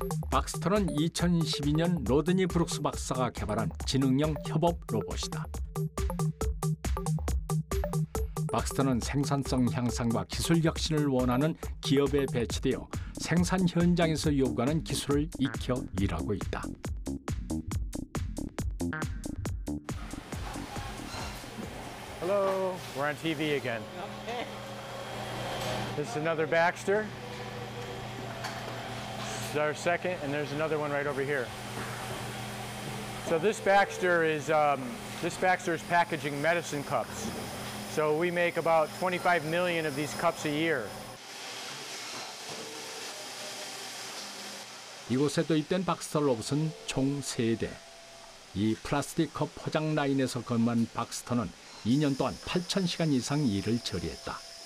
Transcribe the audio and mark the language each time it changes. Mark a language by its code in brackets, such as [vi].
[ko] 박스터는 2012년 로드니 브룩스 박사가 개발한 지능형 협업 로봇이다. 박스터는 생산성 향상과 기술 혁신을 원하는 기업에 배치되어 생산 현장에서 요구하는 기술을 익혀 일하고 있다. [en] 헬로, we're on TV again. This is another Baxter. This is our second, and there's another one right over here. So this Baxter is packaging medicine cups. So we make about 25 million of these cups a year. [ko] 이곳에 도입된 박스터 로봇은 총 3대. 이 플라스틱 컵 포장 라인에서 근무한 박스터는 2년 동안 8천 시간 이상 일을 처리했다.